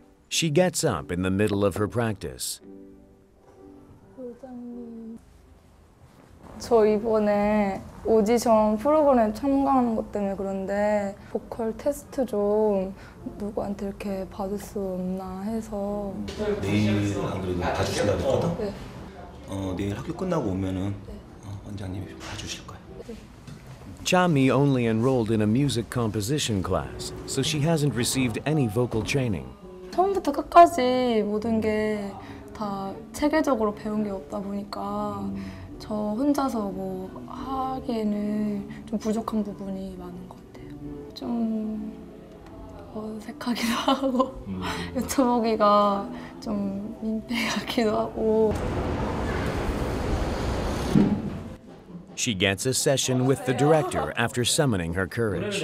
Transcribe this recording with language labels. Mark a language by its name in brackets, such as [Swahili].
[English] 'She gets up in the middle of her practice. [Korean] 저 이번에 오디션 프로그램 참가하는 것 때문에 그런데 보컬 테스트 좀 누구한테 이렇게 받을 수 없나 해서 내일 안 그래도 봐주신다고 했거든? 네. 내일 학교 끝나고 오면은 원장님이 봐주실 거예요. [English] Chami only enrolled in a music composition class, so she hasn't received any vocal training. [Korean] 처음부터 끝까지 모든 게 다 체계적으로 배운 게 없다 보니까 저 혼자서 뭐 하기에는 좀 부족한 부분이 많은 것 같아요. 좀 어색하기도 하고 유튜브기가 좀 민폐하기도 하고. [English] She gets a session with the director after summoning her courage.